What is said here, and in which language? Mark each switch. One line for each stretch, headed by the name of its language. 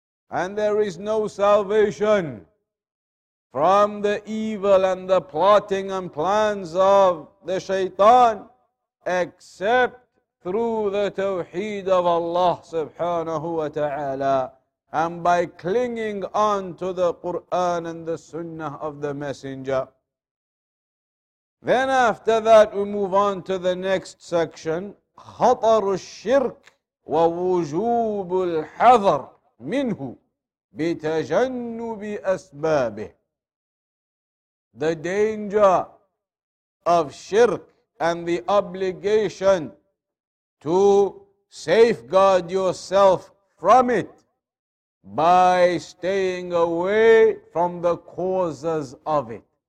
English: And there is no salvation from the evil and the plotting and plans of the shaitan except through the tawheed of Allah subhanahu wa ta'ala and by clinging on to the Qur'an and the sunnah of the messenger. Then after that, we move on to the next section.
Arabic: خطر الشرك ووجوب الحذر منه. بِتَجَنُّبِ أَسْبَابِهِ
English: The danger of shirk and the obligation to safeguard yourself from it by staying away from the causes of it.